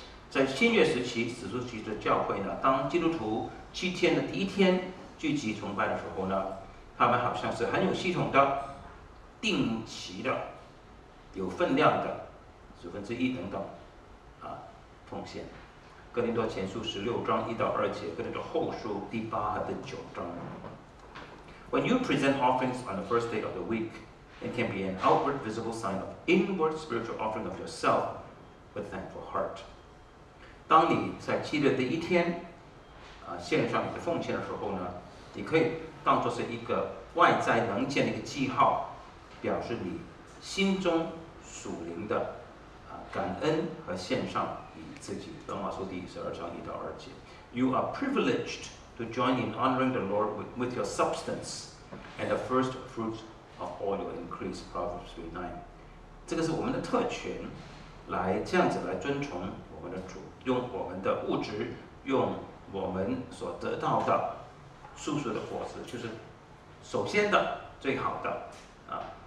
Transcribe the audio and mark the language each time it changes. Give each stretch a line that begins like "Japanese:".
Chinese: 在新约时期，使徒时期的教会呢，当基督徒七天的第一天聚集崇拜的时候呢，他们好像是很有系统的、定期的、有分量的十分之一等等啊奉献。哥林多前书十六章一到二节，哥林多后书第八和第九章。
English: When you present offerings on the first day of the week, it can be an outward visible sign of inward spiritual offering of yourself with thankful heart.
Chinese: 当你在七日的一天、献上你的奉献的时候呢，你可以当作是一个外在能见的一个记号，表示你心中属灵的、感恩和献上你自己。罗马书第十二章一到二节。
English: You are privileged. To join in honoring the Lord with your substance and the first fruits of all your increase, Proverbs 3:9.
Chinese: 这个是我们的特权，来这样子来尊崇我们的主，用我们的物质，用我们所得到的素素的果实，就是首先的最好的啊。